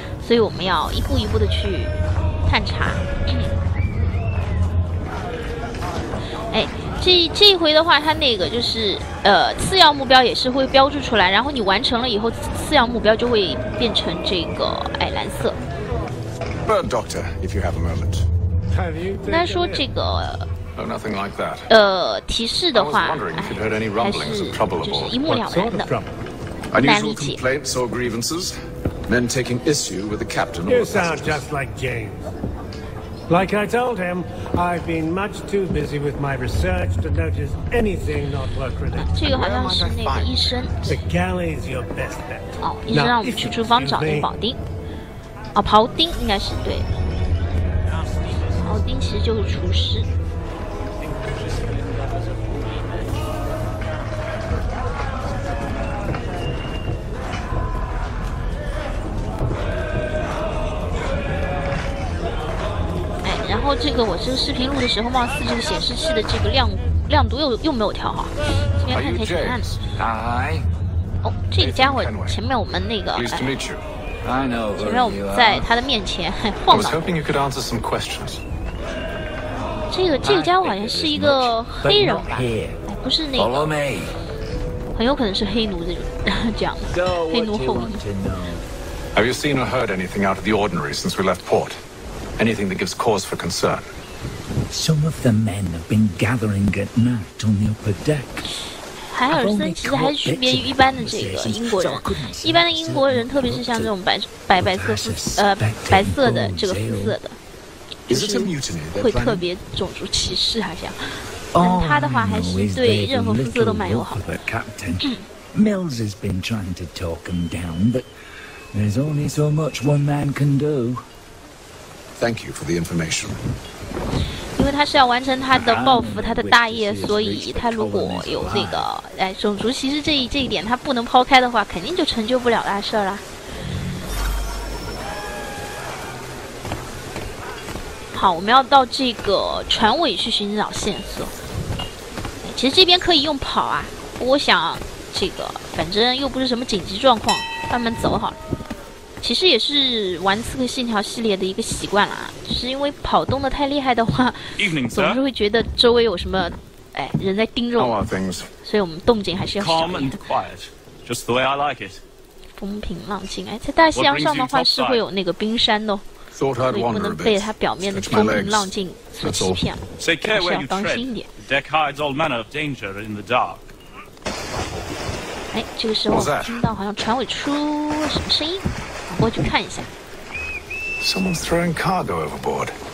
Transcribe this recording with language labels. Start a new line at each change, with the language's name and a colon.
Chinese: 所以我们要一步一步的去探查。哎，这一回的话，他那个就是次要目标也是会标注出来，然后你完成了以后，次要目标就会变成这个哎蓝色。
English: Bird doctor, if you have a moment. Have you?
Chinese: 那说这个。
English: Nothing like that.
Chinese: 提示的话，还是就是一目了然的，难理解。
English: Complaints or grievances? Men taking issue with the captain or the passengers? You sound just like James. Like I told him, I've been much too busy with my research to notice anything not work-related.
Chinese: 这个好像是那个医生。
English: The galley's your best bet.
Chinese: 医生让我们去厨房找那个保丁。庖丁应该是对。庖丁其实就是厨师。这个我这个视频录的时候，貌似这个显示器的这个亮度又没有调好，这边看起来挺暗的。
English: Hi.
Chinese: 哦，这个家伙前面我们那个，前面我们在他的面前晃荡。
English: I was hoping you could answer some questions.
Chinese: 这个家伙好像是一个黑人吧？不是那个，很有可能是黑奴这种这样的黑奴后裔。
English: Have you seen or heard anything out of the ordinary since we left port? Anything that gives cause for concern. Some of the men have been gathering at night on the upper deck.
Chinese: 海尔森其实还是区别于一般的这个英国人。一般的英国人，特别是像这种白色的这个肤色的，就是会特别种族歧视，好像。但他的话还是对任何肤色都蛮友好的。
English: Mills has been trying to talk him down, but there's only so much one man can do. Thank you for the information.
Chinese: 因为他是要完成他的报复他的大业，所以他如果有那个哎种族歧视这一点他不能抛开的话，肯定就成就不了大事了。好，我们要到这个船尾去寻找线索。其实这边可以用跑啊，我想这个反正又不是什么紧急状况，慢慢走好了。其实也是玩刺客信条系列的一个习惯了，就是因为跑动的太厉害的话，总是会觉得周围有什么哎人在盯着我们，所以我们动静还是要小一点。
English: Calm and quiet, just the way I like it.
Chinese: 风平浪静，哎，在大西洋上的话是会有那个冰山的，所以不能被它表面的风平浪静所欺骗了。
English: Take care where you tread.
Chinese: 当心一点。
English: The deck hides all manner of danger in the dark.
Chinese: 哎，这个时候听到好像船尾出什么声音。过去看一下。
English: Someone's throwing cargo overboard.